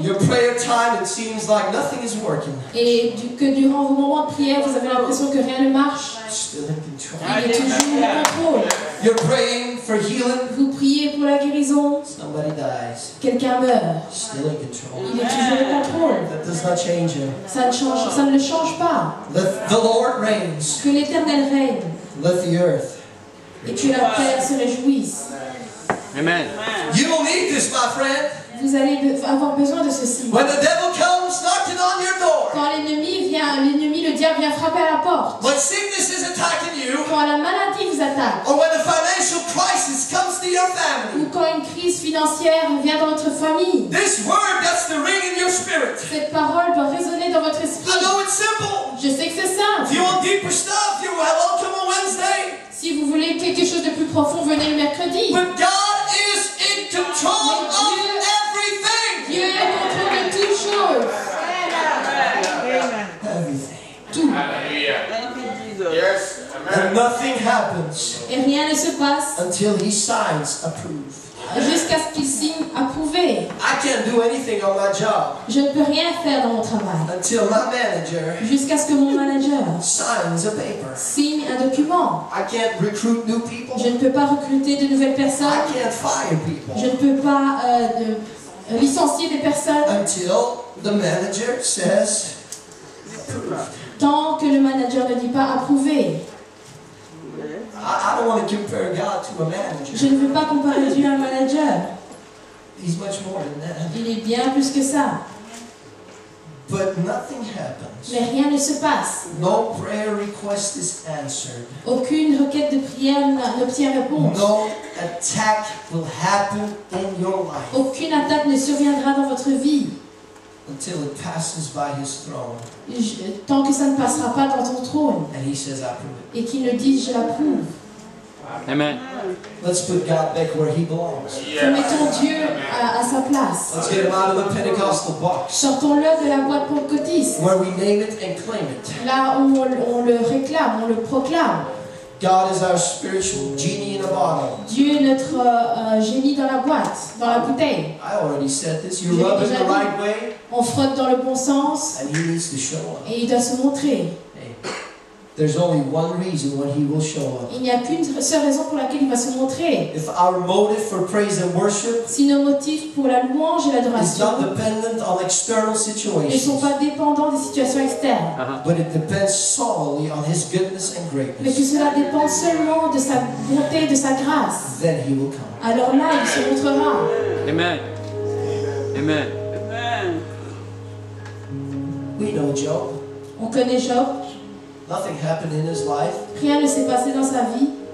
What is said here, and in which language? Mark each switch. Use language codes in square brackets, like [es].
[en] your prayer time, it seems like nothing is working. [fr] Et que durant vos moments de prière, vous avez l'impression que rien ne marche. [en] Still in control. [fr] Il est toujours au contrôle. [en] You're praying for healing. [fr] Vous priez pour la guérison. [en] Somebody dies. [fr] Quelqu'un meurt. [en] Still in control. [fr] Il est toujours au contrôle. [en] That does not change him. [fr] Ça ne le change pas. [en] The Lord reigns. [fr] Que l'Éternel règne. [en] Let the earth. [fr] Et que la terre se réjouisse. [en] Amen. You will need this, my friend. [fr] Vous allez avoir besoin de ceci. [en] When the devil comes knocking on your door. [fr] Quand l'ennemi, le diable vient frapper à la porte. [en] When sickness is attacking you. [fr] Quand la maladie vous attaque. [en] Or when a financial crisis comes to your family. [fr] Ou quand une crise financière vient dans votre famille. [en] This word gets to ring in your spirit. [fr] Cette parole doit résonner dans votre esprit. [en] I know it's simple. [fr] Je sais que c'est simple. [en] If you want deeper stuff, you're welcome on Wednesday. [fr] Si vous voulez quelque chose de plus profond, venez le mercredi. [en] But God is in control of everything. [fr] Dieu est en contrôle de toutes choses. Tout. [en] Yes. And nothing happens. [fr] Et rien ne se passe. [en] Until he signs approve. [fr] Jusqu'à ce qu'il signe approuvé. [en] I can't do anything on my job. [fr] Je ne peux rien faire dans mon travail. [en] Until my manager. [fr] Jusqu'à ce que mon manager [en] signs a paper. [fr] Signe un document. [en] I can't recruit new people. [fr] Je ne peux pas recruter de nouvelles personnes. [en] I can't fire people. [fr] Je ne peux pas licencier des personnes. [en] Until the manager says [fr] tant que le manager ne dit pas approuvé. [en] I don't want to compare God to a manager. [fr] Je ne veux pas comparer Dieu à un manager. [en] He's much more than that. [fr] Il est bien plus que ça. [en] But nothing happens. [fr] Mais rien ne se passe. [en] No prayer request is answered. [fr] Aucune requête de prière n'obtient réponse. [en] No attack will happen in your life. [fr] Aucune attaque ne surviendra dans votre vie. [en] Until it passes by his throne. [fr] Tant que ça ne passera pas dans ton trône. [en] And he says, I approve. [fr] Et qu'il ne dise, je l'approuve. [en] Amen. Let's put God back where he belongs. [fr] Yes. Mettons Dieu à sa place. [en] Let's get him out of the Pentecostal box. [fr] Sortons-le de la boîte pentecôtiste. [en] Where we name it and claim it. [fr] Là où on le réclame, on le proclame. [en] God is our spiritual genie in a bottle. [fr] Dieu est notre génie dans la boîte, dans la bouteille. [en] I already said this. You rub in the right way. [fr] On frotte dans le bon sens. [en] And he needs to show up. [fr] Et il doit se montrer. [en] There's only one reason why he will show up. [fr] Il n'y a qu'une seule raison pour laquelle il va se montrer. [en] If our motive for praise and worship [fr] si nos motifs pour la louange et l'adoration [en] is not dependent on external situations, [fr] ne sont pas dépendants des situations externes, [en] but it depends solely on his goodness and greatness, [fr] mais que cela dépend seulement de sa bonté, de sa grâce, [en] then he will come. [fr] Alors là, il se montrera. [en] Amen. Amen. Amen. We know Job. [fr] On connaît Job. [en] Nothing happened in his life. [fr] Rien ne s'est passé dans sa vie.